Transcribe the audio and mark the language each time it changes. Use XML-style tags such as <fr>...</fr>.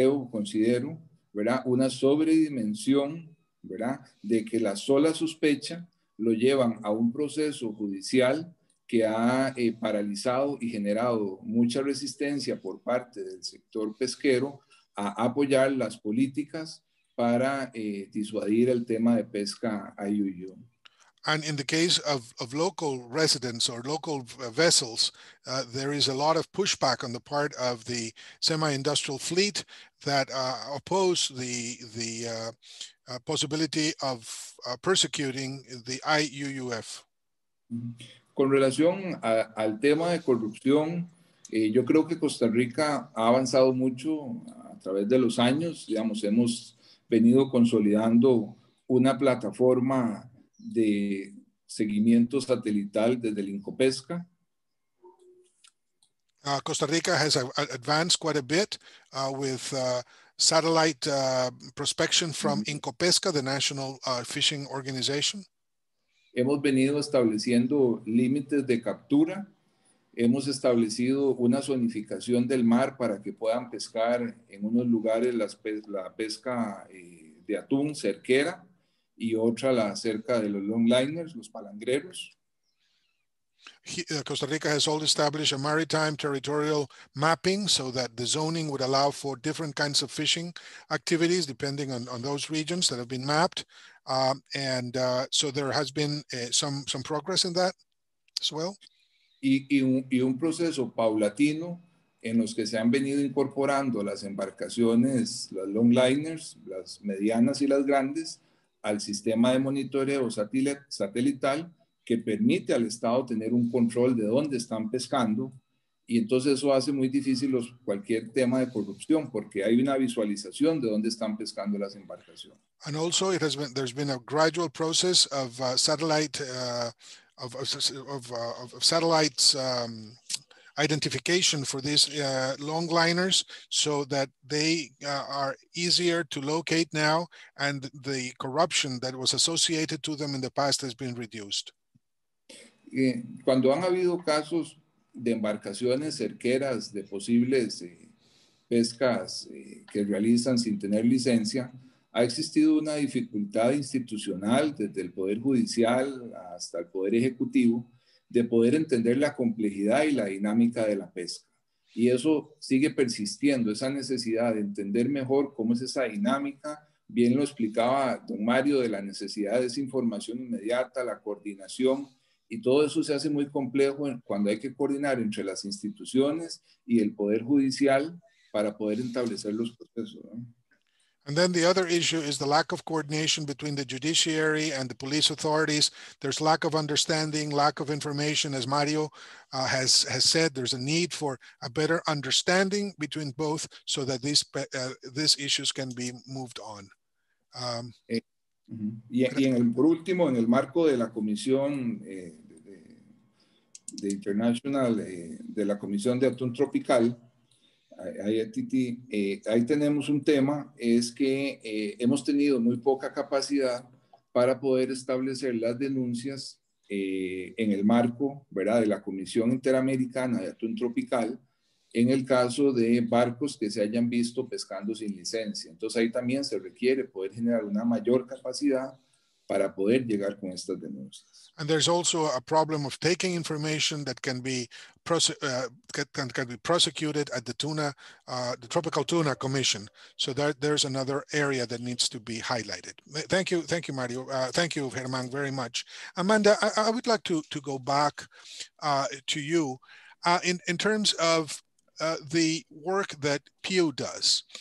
<es>considero, ¿verdad?, una sobredimensión, ¿verdad?, de que la sola sospecha lo llevan a un proceso judicial que ha paralizado y generado mucha resistencia por parte del sector pesquero a apoyar las políticas para disuadir el tema de pesca IUU.</es> <en>And in the case of local residents or local vessels, there is a lot of pushback on the part of the semi-industrial fleet that oppose the possibility of persecuting the IUUF. Mm-hmm.</en> <es>Con relación al tema de corrupción, yo creo que Costa Rica ha avanzado mucho a través de los años. Digamos, hemos venido consolidando una plataforma de seguimiento satelital desde el Incopesca.</es> <en>Costa Rica has advanced quite a bit with satellite prospection from Incopesca, the national fishing organization.</en> <es>Hemos venido estableciendo límites de captura, hemos establecido una zonificación del mar para que puedan pescar en unos lugares la pesca de atún cerquera y otra la cerca de los longliners, los palangreros.</es> <en>Costa Rica has also established a maritime territorial mapping so that the zoning would allow for different kinds of fishing activities depending on those regions that have been mapped. So there has been some progress in that as well.</en> <es>Y un proceso paulatino en los que se han venido incorporando las embarcaciones, las longliners, las medianas y las grandes, al sistema de monitoreo satelital que permite al Estado tener un control de dónde están pescando. Y entonces eso hace muy difícil cualquier tema de corrupción porque hay una visualización de dónde están pescando las embarcaciones.</es> <en>And also there's been a gradual process of satellites identification for these longliners so that they are easier to locate now and the corruption that was associated to them in the past has been reduced.</en> <es>Cuando han habido casos de embarcaciones cerqueras de posibles pescas que realizan sin tener licencia, ha existido una dificultad institucional desde el Poder Judicial hasta el Poder Ejecutivo de poder entender la complejidad y la dinámica de la pesca. Y eso sigue persistiendo, esa necesidad de entender mejor cómo es esa dinámica. Bien lo explicaba don Mario de la necesidad de esa información inmediata, la coordinación. Y todo eso se hace muy complejo cuando hay que coordinar entre las instituciones y el poder judicial para poder establecer los procesos.</es> <en>And then the other issue is the lack of coordination between the judiciary and the police authorities. There's lack of understanding, lack of information, as Mario has said. There's a need for a better understanding between both so that these issues can be moved on.</en> <es>Y en el, por último, en el marco de la Comisión de Internacional, de la Comisión de Atún Tropical, ahí tenemos un tema, es que hemos tenido muy poca capacidad para poder establecer las denuncias en el marco, ¿verdad?, de la Comisión Interamericana de Atún Tropical, en el caso de barcos que se hayan visto pescando sin licencia. Entonces ahí también se requiere poder generar una mayor capacidad para poder llegar con estas denuncias.</es> <en>And there's also a problem of taking information that can be prosecuted at the tuna, the Tropical Tuna Commission. So that there's another area that needs to be highlighted. Thank you, Mario. Thank you, Germán, very much. Amanda, I would like to go back to you in terms of the work that Pew does.</en>